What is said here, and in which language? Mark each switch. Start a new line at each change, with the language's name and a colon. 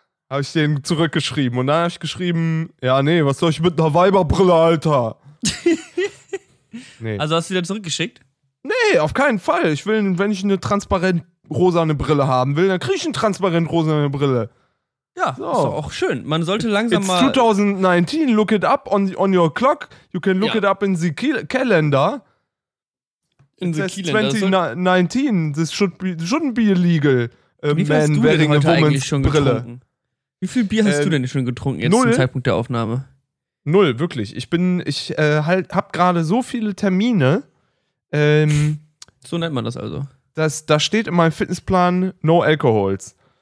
German: Habe ich den zurückgeschrieben und dann habe ich geschrieben, ja nee, was soll ich mit einer Weiberbrille, Alter? Nee. Also hast du wieder zurückgeschickt? Nee, auf keinen Fall. Ich will, wenn ich eine transparente rosa eine Brille haben will, dann kriege ich einen transparent rosa eine Brille. Ja, so. Ist doch auch schön. Man sollte langsam
English: It's
German: mal...
English: It's 2019, look it up on your clock. You can look it up in the calendar. In It the calendar. 2019, this shouldn't be illegal.
German: Wie viel hast du denn heute eigentlich schon Brille. Getrunken? Wie viel Bier hast du denn schon getrunken jetzt null? Zum Zeitpunkt der Aufnahme? Null, wirklich. Ich hab gerade so viele Termine. So nennt man das also. Da steht in meinem Fitnessplan
English: No Alcohols.